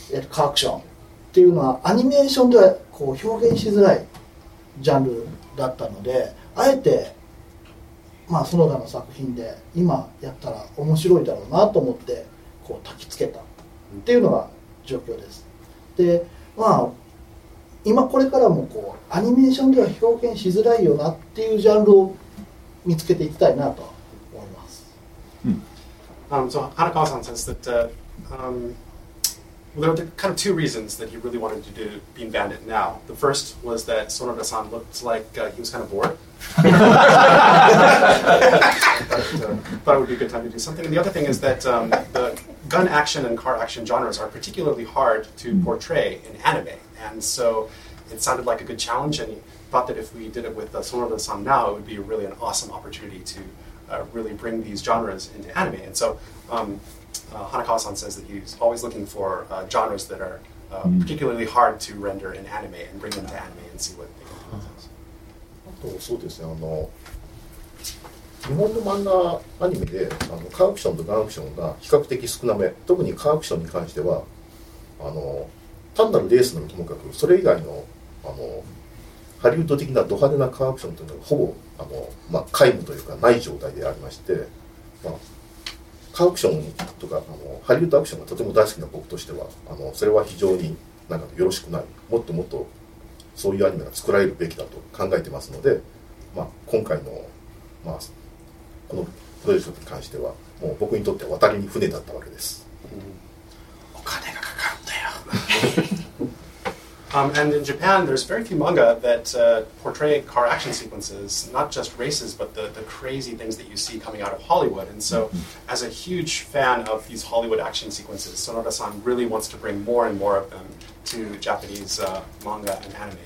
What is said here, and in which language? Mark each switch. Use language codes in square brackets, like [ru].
[ja] カアクションっていうのはアニメーションではこう表現しづらいジャンルだったので、あえて、まあ、園田の作品で今やったら面白いだろうなと思ってこう焚きつけたっていうのが状況です。で、まあ今これからもこうアニメーションでは表現しづらいよなっていうジャンルを見つけていきたいなと思います。 [en] So Hanakawa-san says that there were kind of two reasons that he really wanted to do Bean Bandit now. The first was that Sonoda-san looked like he was kind of bored. thought it would be a good time to do something. And the other thing is that the gun action and car action genres are particularly hard to portray in anime. And so it sounded like a good challenge, and he thought that if we did it with Sonoda-san now, it would be really an awesome opportunity to really bring these genres into anime. And so Hanakawa-san says that he's always looking for genres that are particularly hard to render in anime and bring them to anime and see what they can do. [ja] そうですね、あの日本の漫画アニメであのカーアクションとガンアクションが比較的少なめ、特にカーアクションに関してはあの単なるレースなのともかく、それ以外 の, あのハリウッド的なド派手なカーアクションというのがほぼあの、まあ、皆無というかない状態でありまして、まあ、カーアクションとかあのハリウッドアクションがとても大好きな僕としては、あのそれは非常になんかよろしくない、もっともっとそういうアニメが作られるべきだと考えてますので、まあ、今回の、まあ、このプロジェクトに関してはもう僕にとっては渡りに船だったわけです。お金が [en] And in Japan, there's very few manga that portray car action sequences, not just races, but the crazy things that you see coming out of Hollywood. And so as a huge fan of these Hollywood action sequences, Sonoda-san really wants to bring more and more of them to Japanese manga and anime.